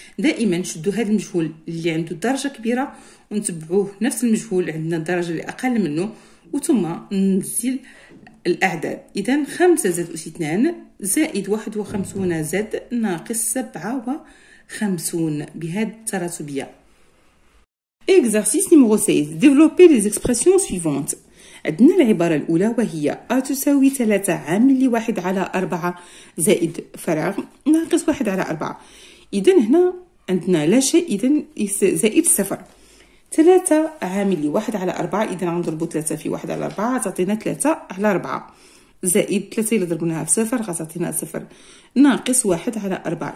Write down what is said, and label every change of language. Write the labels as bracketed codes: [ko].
[ar] دائما نشدو هذا المجهول اللي عنده درجة كبيرة ونتبعوه نفس المجهول عندنا الدرجة اللي أقل منه، وثم ننزل الأعداد. إذا 5 زاد أس 2 زائد 51 زاد ناقص 57 بهذه التراتبية. [fr] Exercice numéro 16. Développez les expressions suivantes. [ar] عندنا العبارة الأولى وهي أ تساوي 3 عامل 1 على 4 زائد فراغ ناقص 1 على 4. إذن هنا عندنا لا شيء، إذن زائد 0. 3 عامل 1 على 4، إذن نضرب 3 في 1 على 4 تعطينا 3 على 4 زائد 3 إذا ضربناها في 0 غتعطينا 0 ناقص 1 على 4.